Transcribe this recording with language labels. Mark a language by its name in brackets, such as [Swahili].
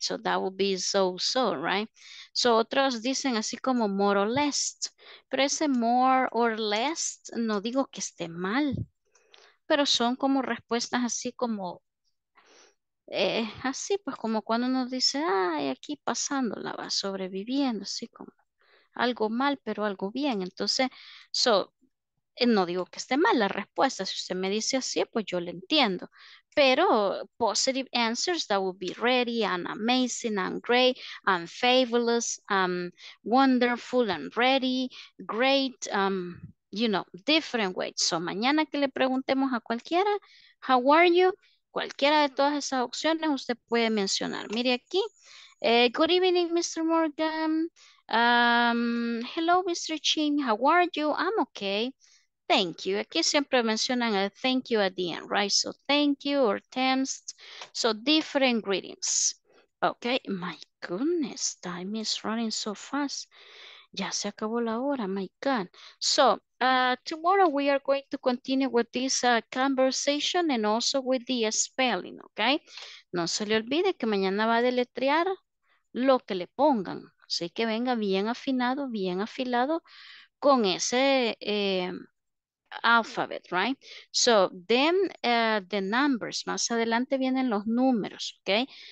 [English] So that would be so-so, right? [Spanish] So otros dicen así como [English] more or less, [Spanish] pero ese more or less no digo que esté mal, pero son como respuestas así como, así pues como cuando uno dice, ay, aquí pasándola, va sobreviviendo, así como algo mal, pero algo bien. Entonces, so, no digo que esté mal la respuesta, si usted me dice así, pues yo le entiendo. [English] Pero positive answers, that would be ready and amazing and great and fabulous and wonderful and ready, great, you know, different ways. [Spanish] So, mañana que le preguntemos a cualquiera, [English] how are you? [Spanish] Cualquiera de todas esas opciones usted puede mencionar. Mire aquí, [English] good evening, Mr. Morgan. Hello, Mr. Chin, how are you? I'm okay. Thank you. [Spanish] Aquí siempre mencionan el [English] thank you at the end, right? So, thank you or thanks. So, different greetings. Okay, my goodness, time is running so fast. [Spanish] Ya se acabó la hora, [English] my God. So, tomorrow we are going to continue with this conversation and also with the spelling, okay? [Spanish] No se le olvide que mañana va a deletrear lo que le pongan. Así que venga bien afilado con ese alphabet, right? [English] So, then the numbers. [Spanish] Más adelante vienen los números, okay?